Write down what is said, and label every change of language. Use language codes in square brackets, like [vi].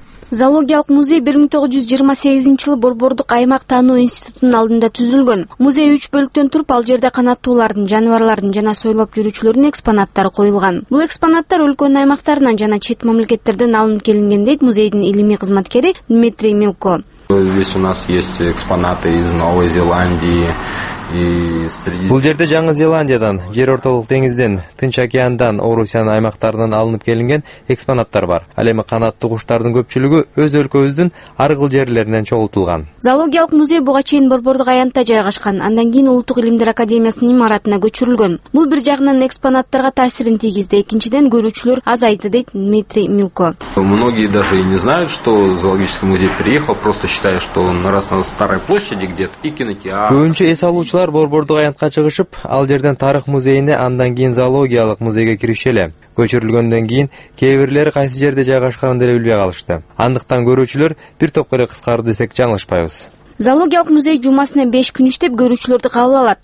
[ky] Зоологиялык музей 1928 жылы Борбордук аймак таануу институтунун алдында түзүлгөн. Музей 3 бөлүктөн туруп, ал жерде канаттуулардын, жаныбарлардын жана сойлоп жүрүүчүлөрдүн экспонаттары коюлган. Бул экспонаттар өлкөнүн аймактарынан жана чет мамлекеттерден алынып келинген, дейт музейдин илимий кызматкери Дмитрий Милко. [ru] Здесь у нас есть экспонаты из Новой Зеландии. [ky] Бул жерде Жаңы Зеландиядан, жер ортолук деңизден, Тынч океандан, Орусиянын аймактарынан алынып келинген экспонаттар бар. Ал эми канаттуу куштардын көпчүлүгү өз өлкөбүздүн ар кыл жерлеринен чогултулган. Зоологиялык музей буга чейин Борбордук аянтта жайгашкан, андан кийин Улуттук Илимдер Академиясынын имаратына көчүрүлгөн. Бул бир жагынан экспонаттарга таасирин тийгизди, экинчиден көрүүчүлөр азайды, дейт Дмитрий Милко. [ru] Многие даже и не знают, что зоологический музей переехал, просто считают, что он на Красной старой площади где-то и кинотеатр. [ky] Көбүнчө эс алуу учулар Борбордук аянтка чыгышып, ал жерден тарых музейине, андан кийин зоологиялык музейге киришчү эле. Көчүрүлгөндөн кийин кээ бирлери кайсы жерде жайгашканын деле билбей калышты. Андыктан көрүүчүлөр бир топко эле кыскарды десек жаңылышпайбыз. Зоологиялык музей жумасына 5 күн иштеп көрүүчүлөрдү кабыл алат.